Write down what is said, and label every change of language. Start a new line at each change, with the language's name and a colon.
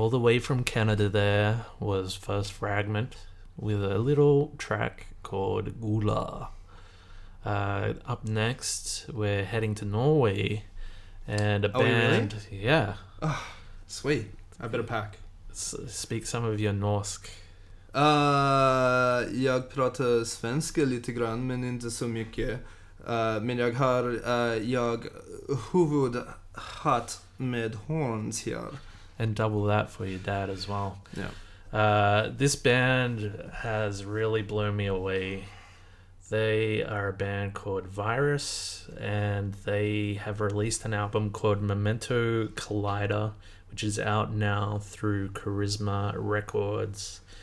English: way from Canada there was First Fragment with a little track called Gula. Up next, we're heading to Norway and a band. Oh, really? Yeah. Oh, sweet. I better pack. Speak some of your Norsk.
Swedish: Jag pratar svenska lite grann, men inte så mycket. Men jag har jag huvudhatt med horns här.
English: And double that for your dad as well. Yeah. This band has really blown me away. They are a band called Virus, and they have released an album called Memento Collider, which is out now through Charisma Records.